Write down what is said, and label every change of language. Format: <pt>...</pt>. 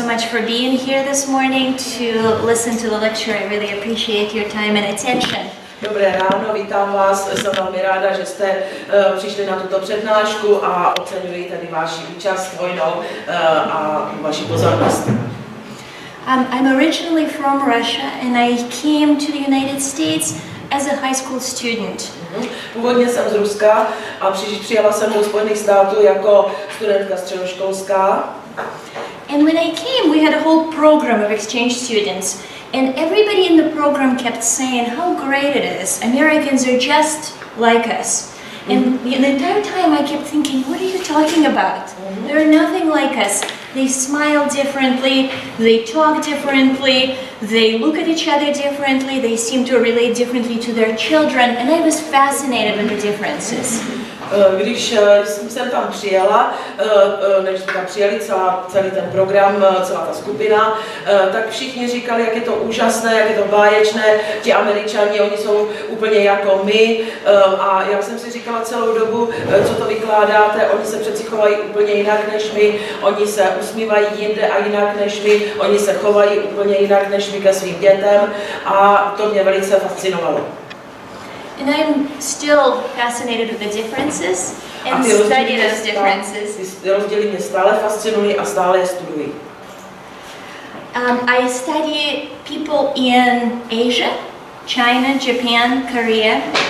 <en>For being here this morning to listen to the lecture. I really appreciate your time and attention.</en> <cs>Dobré ráno, vítám vás. Jsem velmi ráda, že jste přišli na tuto přednášku a oceňuji tady vaši účast vojnou a vaši pozornost.</cs> <en>I'm originally from Russia and I came to the United States as a high school student.</en> <cs>Původně jsem z Ruska a přijela jsem do Spojených států jako studentka středoškolská.</cs> <en>And when I came, we had a whole program of exchange students. And everybody in the program kept saying how great it is. Americans are just like us. And the entire time I kept thinking, what are you talking about? Mm-hmm. They're nothing like us. They smile differently, they talk differently, they look at each other differently, they seem to relate differently to their children, and I was fascinated with the differences.</en> <cs>Když jsem sem tam přijela, než jsme tam přijeli celý ten program, celá ta skupina, tak všichni říkali, jak je to úžasné, jak je to báječné, ti Američani, oni jsou úplně jako my. A já jsem si říkala celou dobu, co to vykládáte, oni se přeci chovají úplně jinak než my, oni se usmívají jinde a jinak než my, oni se chovají úplně jinak než my ke svým dětem a to mě velice fascinovalo.</cs> <en>And I'm still fascinated with the differences and study those differences.</en> <cs>Rozdíly mě stále fascinují a stále je studuji.</cs> <en>I study people in Asia, China, Japan, Korea.</en>